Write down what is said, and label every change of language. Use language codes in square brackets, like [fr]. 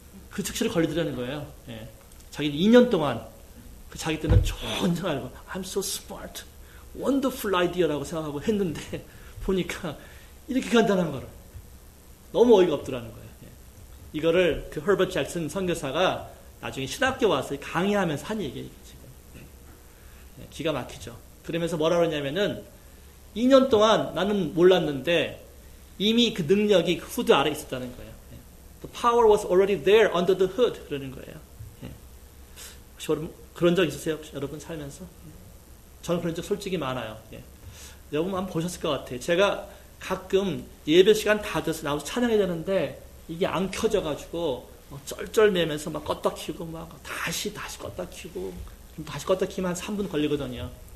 [ko] 그 특실이 걸리더라는 거예요. 예. 자기 2년 동안 그 자기 때는 전혀 알고 [en] I'm so smart, wonderful idea [ko] 라고 생각하고 했는데 보니까 이렇게 간단한 거를 너무 어이가 없더라는 거예요. 예. 이거를 그 허버트 잭슨 선교사가 나중에 신학교 와서 강의하면서 한 얘기예요. 지금. 예. 기가 막히죠. 그러면서 뭐라 그러냐면은 2년 동안 나는 몰랐는데 이미 그 능력이 그 후드 아래 있었다는 거예요. [en] The power was already there under the hood. [ko] 그러는 거예요. 혹시 그런 적 있으세요? 여러분 살면서? 저는 그런 적 솔직히 많아요. 여러분 한번 보셨을 것 같아요. 제가 가끔 예배 시간 다 돼서 나와서 찬양해야 되는데 이게 안 켜져가지고 쩔쩔매면서 막 껐다 키우고 막 다시 껐다 키우고 다시 껐다 키우면 한 3분 걸리거든요.